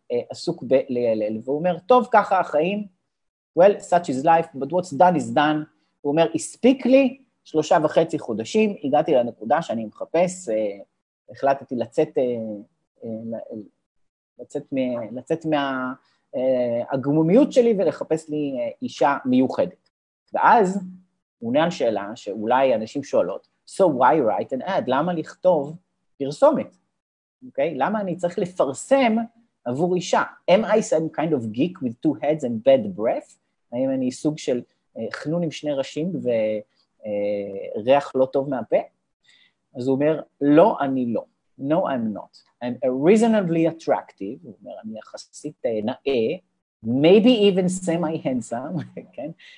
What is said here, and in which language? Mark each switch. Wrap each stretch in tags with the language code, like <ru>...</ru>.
<he>עסוק בלילל, והוא אומר, טוב, ככה החיים,</he> <en>well, such is life, but what's done is done,</en> <he>הוא אומר, הספיק לי 3.5 חודשים, הגעתי לנקודה שאני מחפש, החלטתי לצאת מהגמומיות שלי ולחפש לי אישה מיוחדת. ואז, עונה על שאלה שאולי אנשים שואלות,</he> <en>so why write an ad,</en> <he>למה לכתוב פרסומת? אוקיי? למה אני צריך לפרסם עבור אישה?</he> <en>Am I some kind of geek with two heads and bad breath?</en> <he>האם אני סוג של חנון עם שני ראשים וריח לא טוב מהפה? אז הוא אומר, לא, אני לא.</he> <en>No, I'm not. I'm reasonably attractive.</en> <he>הוא אומר, אני יחסית נאה.</he> <en>Maybe even semi-handsome.</en> <he>כן?</he>